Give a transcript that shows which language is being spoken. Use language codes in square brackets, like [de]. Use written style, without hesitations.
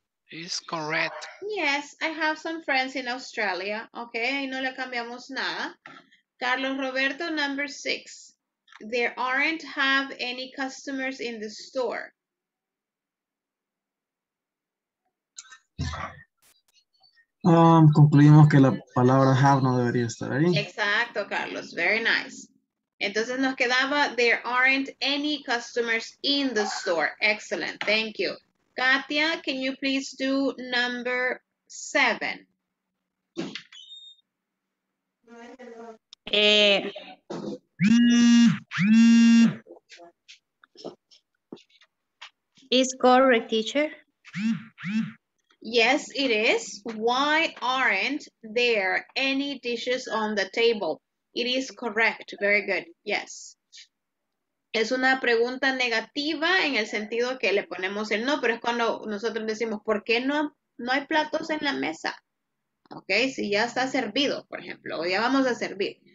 [en] Is correct. Yes, I have some friends in Australia. Okay, [es] y no le cambiamos nada. [en] Carlos Roberto, number six. There aren't have any customers in the store. [es] Concluimos que la palabra have no debería estar ahí. [en] Exacto, Carlos. Very nice. [es] Entonces nos quedaba [en] there aren't any customers in the store. Excellent. Thank you. Katia, can you please do number seven? Is correct, teacher? Yes, it is. Why aren't there any dishes on the table? It is correct. Very good. Yes. [es] Es una pregunta negativa en el sentido que le ponemos el no, pero es cuando nosotros decimos, ¿por qué no hay platos en la mesa? Ok, si ya está servido, por ejemplo, o ya vamos a servir.